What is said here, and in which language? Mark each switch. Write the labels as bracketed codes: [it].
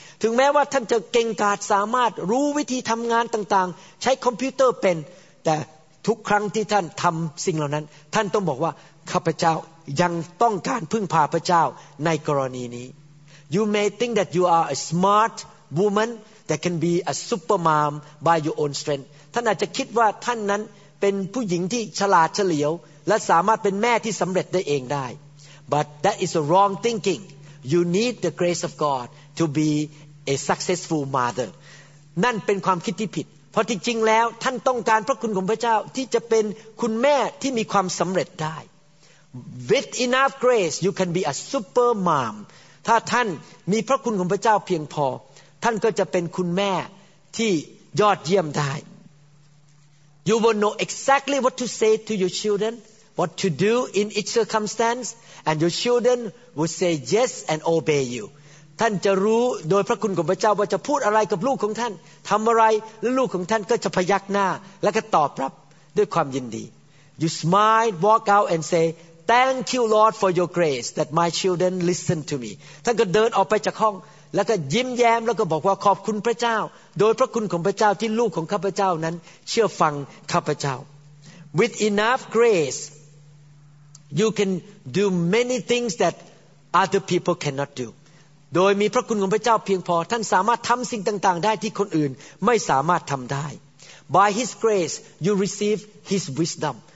[th] ถึงแม้ว่าท่านจะเก่งกาจสามารถรู้วิธีทำงานต่างๆใช้คอมพิวเตอร์เป็นแต่ทุกครั้งที่ท่านทำสิ่งเหล่านั้นท่านต้องบอกว่าข้าพเจ้ายังต้องการพึ่งพาพระเจ้าในกรณีนี้ [en] You may think that you are a smart woman that can be a super mom by your own strength. [th] ท่านอาจจะคิดว่าท่านนั้นเป็นผู้หญิงที่ฉลาดเฉลียวและสามารถเป็นแม่ที่สำเร็จได้เองได้ [en] But that is a wrong thinking. You need the grace of God to be a successful mother. [th] นั่นเป็นความคิดที่ผิดเพราะจริงๆแล้วท่านต้องการพระคุณของพระเจ้าที่จะเป็นคุณแม่ที่มีความสำเร็จได้ [en] With enough grace, you can be a super mom. [th] ถ้าท่านมีพระคุณของพระเจ้าเพียงพอท่านก็จะเป็นคุณแม่ที่ยอดเยี่ยมได้ [en] You will know exactly what to say to your children, what to do in each circumstance, and your children will say yes and obey you. [th] ท่านจะรู้โดยพระคุณของพระเจ้าว่าจะพูดอะไรกับลูกของท่านทำอะไรและลูกของท่านก็จะพยักหน้าและก็ตอบรับด้วยความยินดี [en] You smile, walk out and say, Thank you, Lord, for your grace that my children listen to me. [th] ท่านก็เดินออกไปจากห้องแล้วก็ยิ้มแย้มแล้วก็บอกว่าขอบคุณพระเจ้าโดยพระคุณของพระเจ้าที่ลูกของข้าพเจ้านั้นเชื่อฟังข้าพเจ้า [en] With enough grace, you can do many things that other people cannot do. [th] โดยมีพระคุณของพระเจ้าเพียงพอท่านสามารถทำสิ่งต่างๆได้ที่คนอื่นไม่สามารถทำได้ [en] By His grace, you receive His wisdom.